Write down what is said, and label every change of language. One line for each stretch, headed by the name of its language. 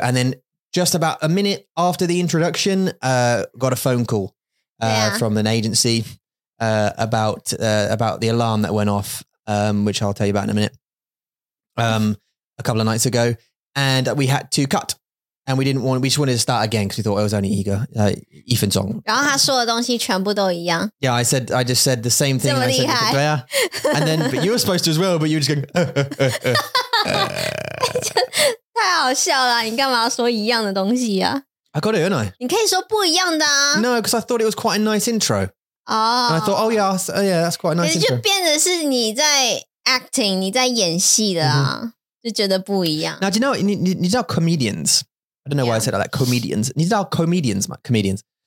English: And then just about a minute after the introduction, got a phone call from an agency about the alarm that went off, which I'll tell you about in a minute, a couple of nights ago. And we had to cut. And we just wanted to start again because we thought it was only ego, Ethan Song. I just said the same thing. And, I said, yeah. And then, but you were supposed to as well, but you were just going,
Chinese: 太好笑了, 你干嘛说一样的东西啊?
English: I got it, didn't I?
Chinese: 你可以说不一样的啊?
English: No, because I thought it was quite a nice intro. Oh. And I thought, that's quite a nice intro.
Chinese: 就变成是你在
English: acting,
Chinese: 你在演戏的啊, mm-hmm. 就觉得不一样.
English: Now, do you know,
Chinese: 你知道
English: comedians, I don't know why I said that, like comedians.
Chinese: 你知道
English: comedians, mate, comedians.